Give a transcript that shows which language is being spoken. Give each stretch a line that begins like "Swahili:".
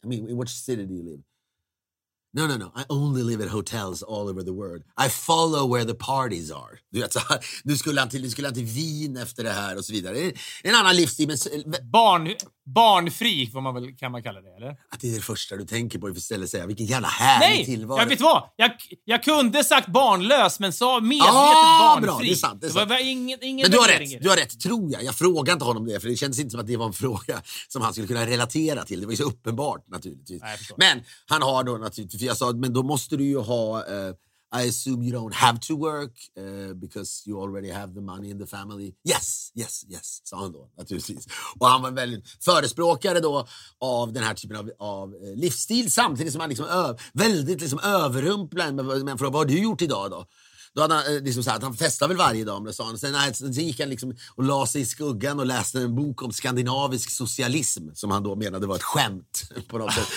English: I mean, in which city do you live? No. I only live at hotels all over the world. I follow where the parties are.
Swedish: Du vet, så här, nu skulle han till Wien efter det här och så vidare. En annan livsstil. Barnfri, kan man kalla det, eller? Att det är det första du tänker på istället att säga. Vilken jävla härlig tillvaro. Nej, jag vet vad. Jag kunde sagt barnlös, men sa medvetet barnfri. Bra, det är sant. Ingen men du har rätt, tror jag. Jag frågar inte honom det, för det kändes inte som att det var en fråga som han skulle kunna relatera till. Det var ju så uppenbart, naturligtvis. Nej, men han har då naturligtvis, för jag sa, men då måste du ju ha...
English: I assume you don't have to work because you already have the money in the family.
Swedish: Yes, sa han då, naturligtvis. Och han var väldigt förespråkare då av den här typen av livsstil, samtidigt som han liksom väldigt liksom överrumplad med frågan: vad har du gjort idag då? Då hade han liksom sagt att han festade väl varje dag, sa han. Sen gick han liksom och la sig i skuggan och läste en bok om skandinavisk socialism, som han då menade var ett skämt på något sätt.